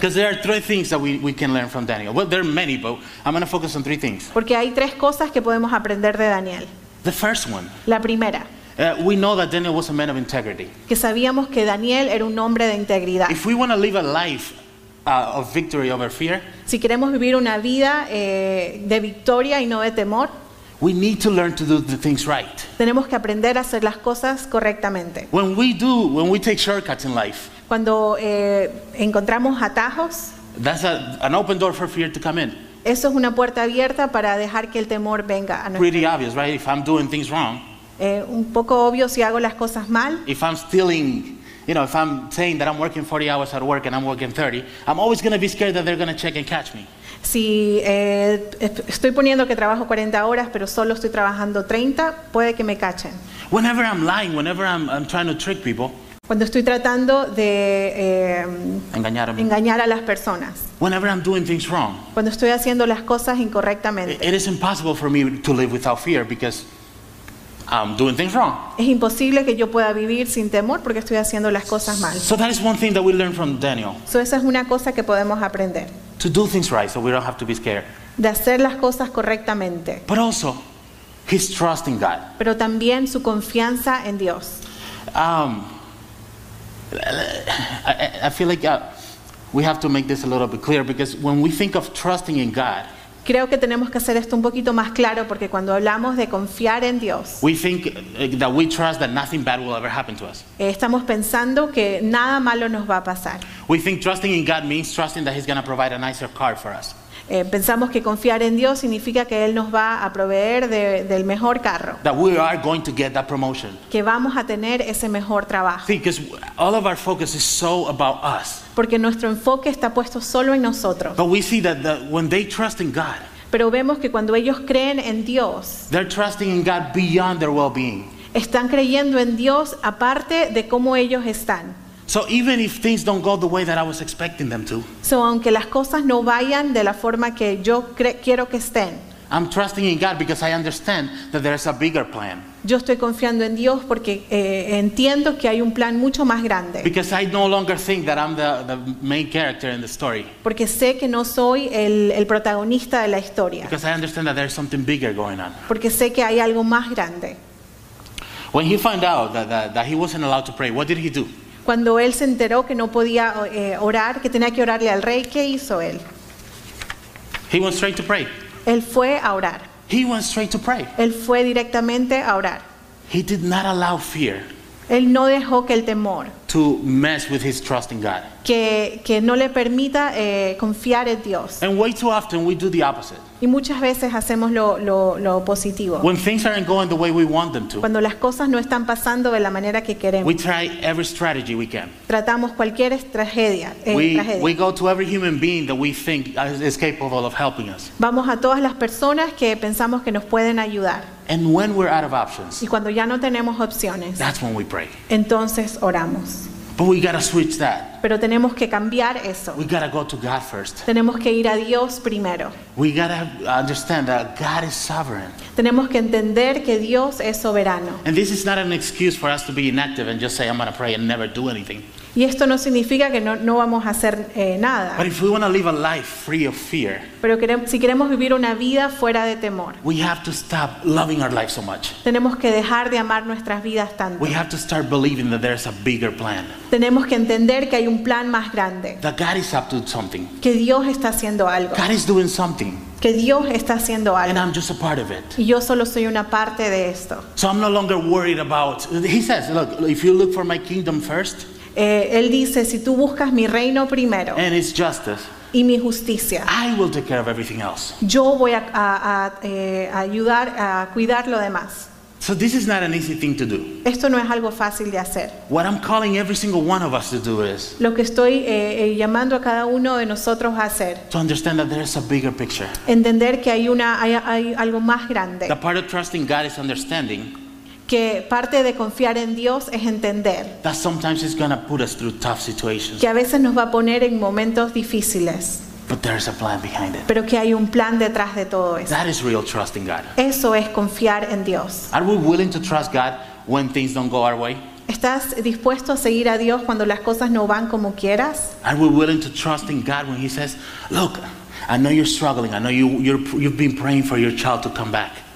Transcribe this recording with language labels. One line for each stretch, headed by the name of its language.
English: Because there are three things that we can learn from Daniel. Well, there are many, but I'm going to focus on three things.
Spanish: Porque hay tres cosas que podemos aprender de Daniel.
English: The first one.
Spanish: La primera.
English: We know that Daniel was a man of integrity.
Spanish: Que sabíamos que Daniel era un hombre de integridad.
English: If we want to live a life of victory over fear,
Spanish: si queremos vivir una vida de victoria y no de temor,
English: we need to learn to do the things right.
Spanish: Tenemos que aprender a hacer las cosas correctamente.
English: When we take shortcuts in life,
Spanish: cuando encontramos atajos,
English: that's an open door for fear to come in.
Spanish: Eso es una puerta abierta para dejar que el temor venga a nuestro.
English: Pretty obvious, right? If I'm doing things wrong.
Spanish: Un poco obvio si hago las cosas mal.
English: If I'm stealing, you know, if I'm saying that I'm working 40 hours at work and I'm working 30, I'm always going to be scared that they're going to check and catch me.
Spanish: Si estoy poniendo que trabajo 40 horas, pero solo estoy trabajando 30, puede que me cachen.
English: Whenever I'm lying, whenever I'm trying to trick people.
Spanish: Cuando estoy tratando de engañar a las personas.
English: Whenever I'm doing things wrong.
Spanish: Cuando estoy haciendo las cosas incorrectamente.
English: It is impossible for me to live without fear because I'm doing things wrong.
Spanish: Es imposible que yo pueda vivir sin temor porque estoy haciendo las cosas mal.
English: So that is one thing that we learn from Daniel.
Spanish: So esa es una cosa que podemos aprender.
English: To do things right, so we don't have to be scared.
Spanish: De hacer las cosas correctamente.
English: But also, his trust in God.
Spanish: Pero también su confianza en Dios.
English: I feel like we have to make this a little bit clearer because when we think of trusting in God.
Spanish: Creo que tenemos que hacer esto un poquito más claro porque cuando hablamos de confiar en Dios,
English: we think that we trust that nothing bad will ever happen to us.
Spanish: Estamos pensando que nada malo nos va a pasar.
English: We think trusting in God means trusting that he's going to provide a nicer car for us.
Spanish: Pensamos que confiar en Dios significa que él nos va a proveer del mejor carro.
English: That we are going to get that promotion.
Spanish: Que vamos a tener ese mejor trabajo.
English: See, because all of our focus is so about us.
Spanish: Porque nuestro enfoque está puesto solo en nosotros.
English: But we see that when they trust in God.
Spanish: Pero vemos que cuando ellos creen en Dios.
English: They're trusting in God beyond their well-being.
Spanish: Están creyendo en Dios aparte de cómo ellos están.
English: So even if things don't go the way that I was expecting them to.
Spanish: So aunque las cosas no vayan de la forma que yo quiero que estén.
English: I'm trusting in God because I understand that there is a bigger plan.
Spanish: Yo estoy confiando en Dios porque entiendo que hay un plan mucho más grande.
English: Because I no longer think that I'm the main character in the story.
Spanish: Porque sé que no soy el protagonista de la historia.
English: Because I understand that there's something bigger going on.
Spanish: Porque sé que hay algo más grande.
English: When he found out that he wasn't allowed to pray, what did he do?
Spanish: Cuando él se enteró que no podía orar, que tenía que orarle al rey, ¿qué hizo él?
English: He went straight to pray.
Spanish: Él fue a orar.
English: He went straight to pray.
Spanish: Él fue directamente a orar.
English: He did not allow fear.
Spanish: Él no dejó que el temor
English: to mess with his trust in God.
Spanish: Que no le permita confiar en Dios.
English: And way too often we do the opposite.
Spanish: Y muchas veces hacemos lo positivo.
English: When things aren't going the way we want them to.
Spanish: Cuando las cosas no están pasando de la manera que queremos.
English: We try every strategy we can.
Spanish: Tratamos cualquier estrategia.
English: We go to every human being that we think is capable of helping us.
Spanish: Vamos a todas las personas que pensamos que nos pueden ayudar.
English: And when we're out of options.
Spanish: Y cuando ya no tenemos opciones.
English: That's when we pray.
Spanish: Entonces oramos.
English: But we gotta switch that.
Spanish: Pero tenemos que cambiar eso.
English: We gotta go to God first.
Spanish: Tenemos que ir a Dios primero.
English: We gotta understand that God is sovereign.
Spanish: Tenemos que entender que Dios es soberano.
English: And this is not an excuse for us to be inactive and just say I'm gonna pray and never do anything.
Spanish: Y esto no significa que no vamos a hacer nada.
English: But if we wanna live a life free of fear,
Spanish: pero si queremos vivir una vida fuera de temor,
English: we have to stop loving our life so much.
Spanish: Tenemos que dejar de amar nuestras vidas tanto.
English: We have to start believing that there's a bigger plan.
Spanish: Tenemos que entender que hay un plan más grande.
English: That God is up to something.
Spanish: Que Dios está haciendo algo.
English: God is doing something.
Spanish: Que Dios está haciendo algo.
English: And I'm just a part of it.
Spanish: Y yo solo soy una parte de esto.
English: So I'm no longer worried about. He says, look, if you look for my kingdom first.
Spanish: Él dice, si tú buscas mi reino primero.
English: And it's justice.
Spanish: Y mi justicia.
English: I will take care of everything else.
Spanish: Yo voy a ayudar a cuidar lo demás.
English: So this is not an easy thing to do.
Spanish: Esto no es algo fácil de hacer.
English: What I'm calling every single one of us to do is.
Spanish: Lo que estoy llamando a cada uno de nosotros a hacer.
English: To understand that there is a bigger picture.
Spanish: Entender que hay algo más grande.
English: The part of trusting God is understanding.
Spanish: Que parte de confiar en Dios es entender.
English: That sometimes it's gonna put us through tough situations.
Spanish: Que a veces nos va a poner en momentos difíciles.
English: But there's a plan behind it.
Spanish: Pero que hay un plan detrás de todo eso.
English: That is real trust in God.
Spanish: Eso es confiar en Dios.
English: Are we willing to trust God when things don't go our way?
Spanish: ¿Estás dispuesto a seguir a Dios cuando las cosas no van como quieras?
English: Are we willing to trust in God when He says, "Look, I know you're struggling. I know you've been praying for your child to come back."